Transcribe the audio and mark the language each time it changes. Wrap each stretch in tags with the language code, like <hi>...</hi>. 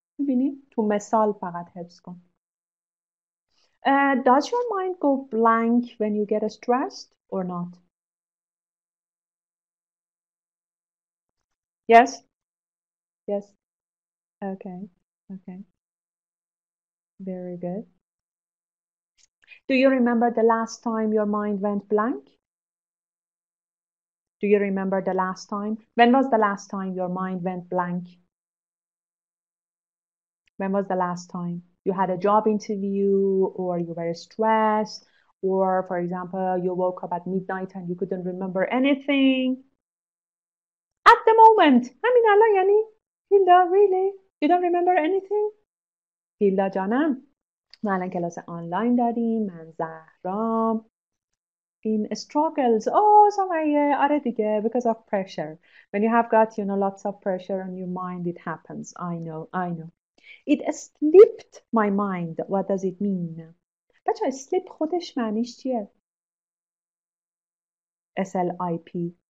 <fa>می‌بینی؟ تو مثال فقط حفظ کن.</fa> <en>Does your mind go blank when you get stressed or not? Yes? Yes. Okay. Okay. Very good. Do you remember the last time your mind went blank? Do you remember the last time? When was the last time your mind went blank? When was the last time you had a job interview or you were stressed or, for example, you woke up at midnight and you couldn't remember anything? At the moment. I mean, Allah, yani. Hilda, really? You don't remember anything? Hilda, janam.</en> <fa>ما الان کلاس آنلاین داریم. من زهرام.</fa> <en>In struggles. Oh, Somaya.</en> <fa>آره دیگه.</fa> <en>Because of pressure. When you have got, you know, lots of pressure on your mind, it happens. I know. I know. It slipped my mind. What does it mean?</en> <fa>بچه ها, slip خودش معنیش چیه؟ S-L-I-P.</fa>